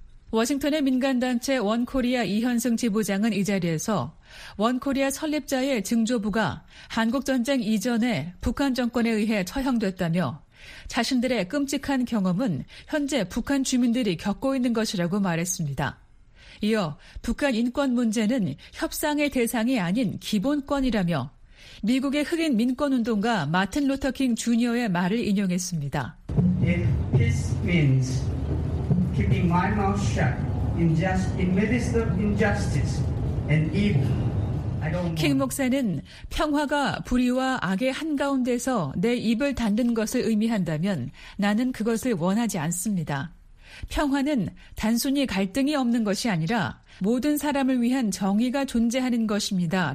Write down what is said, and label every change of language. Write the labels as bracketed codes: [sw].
[ko] 워싱턴의 민간단체 원코리아 이현승 지부장은 이 자리에서 원코리아 설립자의 증조부가 한국전쟁 이전에 북한 정권에 의해 처형됐다며 자신들의 끔찍한 경험은 현재 북한 주민들이 겪고 있는 것이라고 말했습니다. 이어 북한 인권 문제는 협상의 대상이 아닌 기본권이라며 미국의 흑인 민권운동가 마틴 루터킹 주니어의 말을 인용했습니다. [en] If peace means keeping my mouth shut in the midst of injustice and evil, [ko] 킹 목사는 평화가 불의와 악의 한가운데서 내 입을 닫는 것을 의미한다면 나는 그것을 원하지 않습니다. 평화는 단순히 갈등이 없는 것이 아니라 모든 사람을 위한 정의가 존재하는 것입니다.